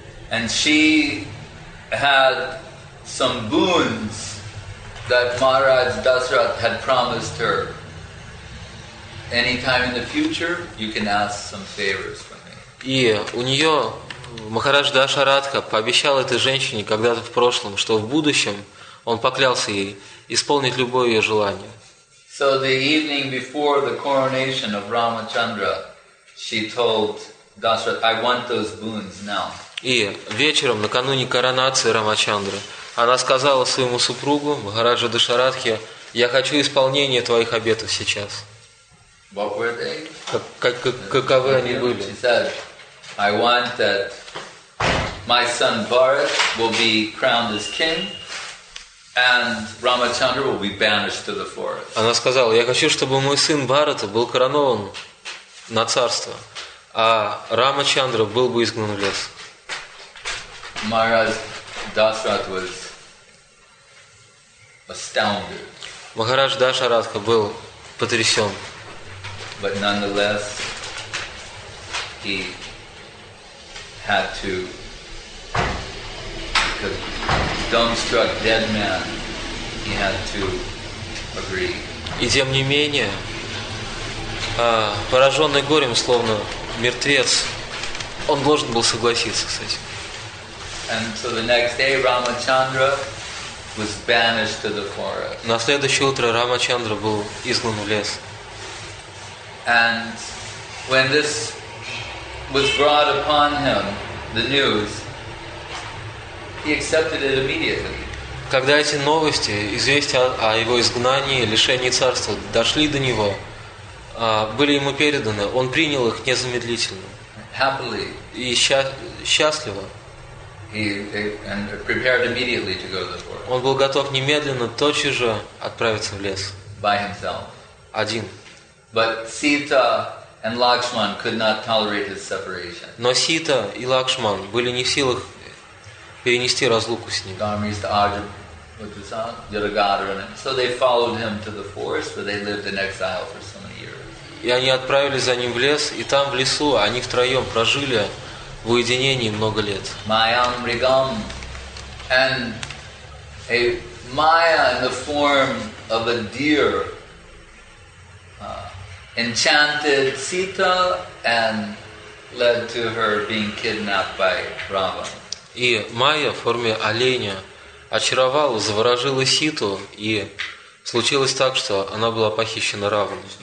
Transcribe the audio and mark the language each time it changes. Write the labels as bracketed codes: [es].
[en] And she had some boons that Maharaj Dasarath had promised her. Anytime in the future, you can ask some favors from me. [ru] И у нее... Махарадж Дашаратха пообещал этой женщине когда-то в прошлом, что в будущем он поклялся ей исполнить любое ее желание. [en] So the evening before the coronation of Ramachandra, she told Dasharatha, I want those boons now. [ru] И вечером, накануне коронации Рамачандры, она сказала своему супругу, Махараджу Дашаратхе, я хочу исполнение твоих обетов сейчас. [en] What were they? [ru] Каковы они были? [en] She said, I want that my son Bharat will be crowned as king and Ramachandra will be banished to the forest. [ru] Она сказала, я хочу, чтобы мой сын Бхарата был коронован на царство, а Рамачандра был бы изгнан в лес. [en] Maharaj Dasarath was astounded. [ru] Махарадж Дашаратха был потрясён. [en] But nonetheless, he had to, because dumbstruck dead man, he had to agree. [ru] И тем не менее, пораженный горем, словно мертвец, он должен был согласиться с этим. [en] And so the next day, Ramachandra was banished to the forest. [ru] На следующее утро Рамачандра был изгнан в лес. [en] And when this was brought upon him, the news, he accepted it immediately. [ru] Когда эти новости, известия о его изгнании, лишении царства дошли до него, были ему переданы, он принял их незамедлительно. [en] Happily. [ru] И счастливо. [en] And prepared immediately to go to the forest. [ru] Он был готов немедленно, тотчас же отправиться в лес. [en] By himself. [ru] Один. [en] But Sita and Lakshman could not tolerate his separation. [ru] Но Сита и Лакшман были не в силах перенести разлуку с ним. [en] Dharmis to Arjun, what was that? Yudhishthira. So they followed him to the forest where they lived in exile for so many years. [ru] И они отправились за ним в лес, и там в лесу они втроем прожили в уединении много лет. [en] Mayam Rigam and a Maya in the form of a deer enchanted Sita and led to her being kidnapped by Ravan. [ru] И Майя в форме оленя очаровала, заворожила Ситу, и случилось так, что она была похищена Раваном.